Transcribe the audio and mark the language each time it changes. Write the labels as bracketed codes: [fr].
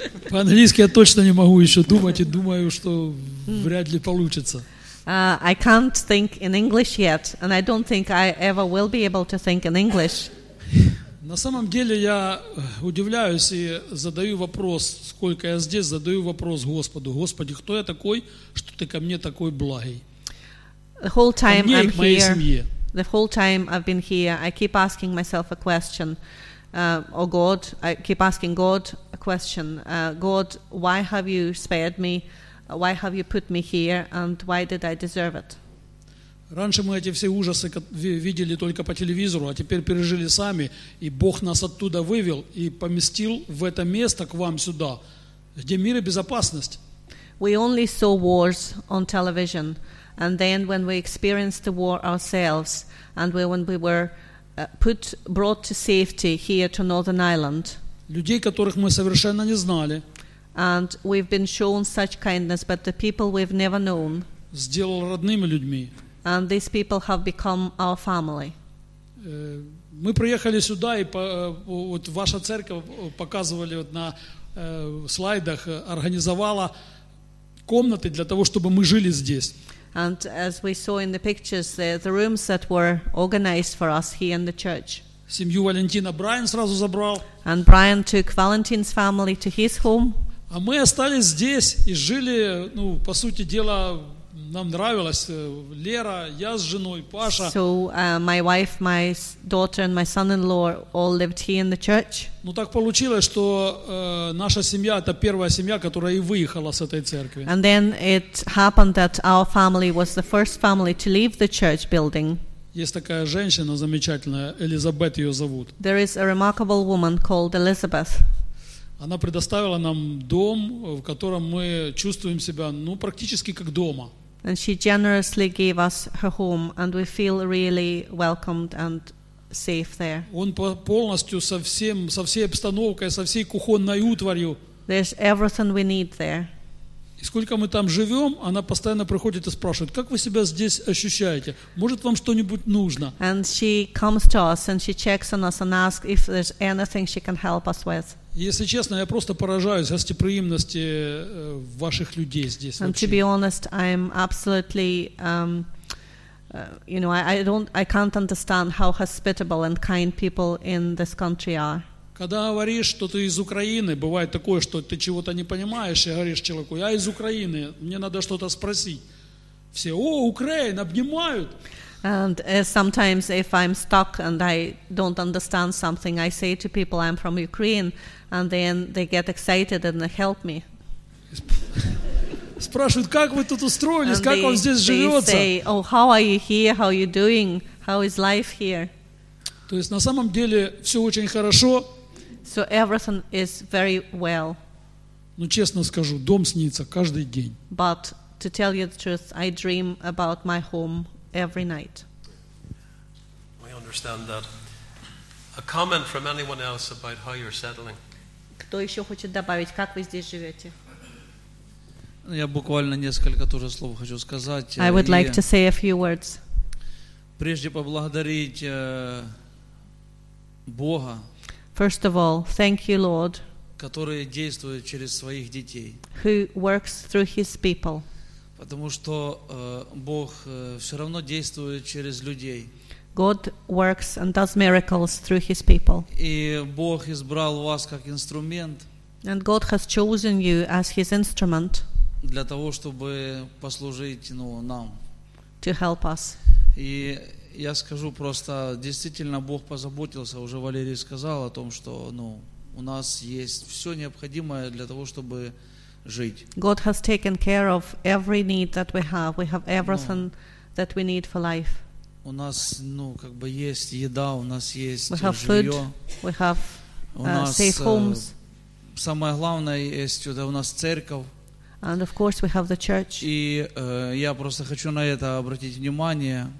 [ru] По-английски я точно не могу еще думать и думаю, что вряд ли получится. [en] I can't think in English yet, and I don't think I ever will be able to think in English. [ru] На самом деле я удивляюсь и задаю вопрос, сколько я здесь, задаю вопрос Господу. Господи, кто я такой, что ты ко мне такой благий? [en] The whole time [ru] ко мне [en] I'm [ru] и к моей [en] here, [ru] семье. [en] The whole time I've been here, I keep asking myself a question. Oh God, I keep asking God a question. God, why have you spared me? Why have you put me here? And why did I deserve it? [ru] Раньше мы эти все ужасы видели только по телевизору, а теперь пережили сами, и Бог нас оттуда вывел и поместил в это место, к вам сюда, где мир и безопасность. [en] We only saw wars on television, and then when we experienced the war ourselves, and when we were brought to safety here to Northern Ireland. [ru] Людей, которых мы совершенно не знали. [en] And we've been shown such kindness, but the people we've never known. [ru] Сделал родными людьми. [en] And these people have become our family. [ru] Мы приехали сюда, и вот ваша церковь, показывали вот на слайдах, организовала комнаты для того, чтобы мы жили здесь. [en] And as we saw in the pictures, the rooms that were organized for us here in the church. [ru] Семью Валентина Брайан сразу забрал. [en] And Brian took Valentine's family to his home. [ru] А мы остались здесь и жили, ну, по сути дела, нам нравилось. Лера, я с женой, Паша. [en] So my wife, my daughter and my son-in-law all lived here in the church. [ru] Ну так получилось, что наша семья это первая семья, которая и выехала с этой церкви. [en] And then it happened that our family was the first family to leave the church building. [ru] Есть такая женщина замечательная, Элизабет ее зовут. [en] There is a remarkable woman called Elizabeth. [ru] Она предоставила нам дом, в котором мы чувствуем себя, ну, практически как дома. [en] And she generously gave us her home, and we feel really welcomed and safe there. [ru] Он полностью со всем, со всей обстановкой, со всей кухонной утварью. [en] There's everything we need there. [ru] И сколько мы там живем, она постоянно приходит и спрашивает, как вы себя здесь ощущаете? Может, вам что-нибудь нужно? [en] And she comes to us, and she checks on us and asks if there's anything she can help us with. [ru] Если честно, я просто поражаюсь гостеприимности ваших людей здесь. [en] And to be honest, I'm absolutely, you know, I can't understand how hospitable and kind people in this country are. [ru] Когда говоришь, что ты из Украины, бывает такое, что ты чего-то не понимаешь, и говоришь человеку, я из Украины, мне надо что-то спросить. Все, о, Украина, обнимают. [en] And sometimes if I'm stuck and I don't understand something, I say to people, I'm from Ukraine, and then they get excited and they help me. [ru] Спрашивают, как вы тут устроились, как вам здесь живется? [en] They say, oh, how are you here, how are you doing, how is life here? [ru] То есть на самом деле все очень хорошо. [en] So everything is very well. [ru] Ну, честно скажу, дом снится каждый день. [en] But to tell you the truth, I dream about my home every night. We understand that. A comment from anyone else about how you're settling? [ru] Кто еще хочет добавить, как вы здесь живете? Я буквально несколько тоже слов хочу сказать. [en] I would like to say a few words. [ru] Прежде поблагодарить Бога. [en] First of all, thank you, Lord, [ru] который действует через своих детей, [en] who works through his people. [ru] Потому что Бог все равно действует через людей. [en] God works and does miracles through his people. [ru] И Бог избрал вас как инструмент. [en] And God has chosen you as his instrument. [ru] Для того, чтобы послужить, ну, нам. [en] To help us. [ru] И я скажу просто, действительно, Бог позаботился, уже Валерий сказал о том, что, ну, у нас есть все необходимое для того, чтобы жить. [en] God has taken care of every need that we have. We have everything, [ru] ну, [en] that we need for life. [ru] У нас, ну, как бы есть еда, у нас есть жилье. [en] We have food, we have safe homes. [ru] Самое главное есть, это у нас церковь. [en] And of course we have the church. [ru] И я просто хочу на это обратить внимание.